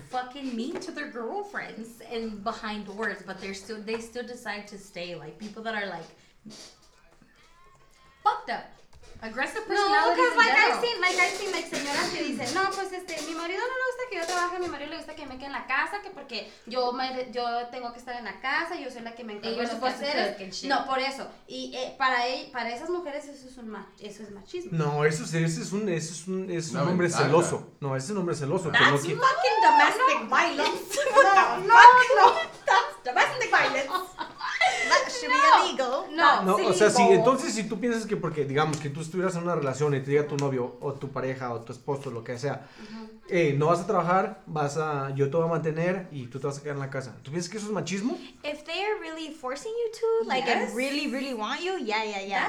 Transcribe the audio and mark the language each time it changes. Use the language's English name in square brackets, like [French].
[English] fucking mean to their girlfriends and behind doors, but they still decide to stay. Like people that are like fucked up, aggressive personalities. [Spanish] No, [English] because I've seen like [Spanish] señoras que dicen, no, pues mi marido no le gusta que yo trabaje, mi marido le gusta que me quede en la casa, que porque yo tengo que estar en la casa, yo soy la que me encargo de los quehaceres. No, por eso. Y para esas mujeres eso es machismo. No, ese es un hombre celoso. No, ese es un hombre celoso. [English] That's [Spanish] que no quiere. [English] Domestic violence. No, that's domestic violence. That should be Illegal. [Spanish] No, no, sí, o sea, sí, entonces si tú piensas que porque, digamos, que tú estuvieras en una relación y te diga tu novio o tu pareja o tu esposo, lo que sea, uh-huh, no vas a trabajar, vas a, yo te voy a mantener y tú te vas a quedar en la casa. ¿Tú piensas que eso es machismo? [English] If they are really forcing you to, like, yes, and really, really want you, yeah, yeah, yeah.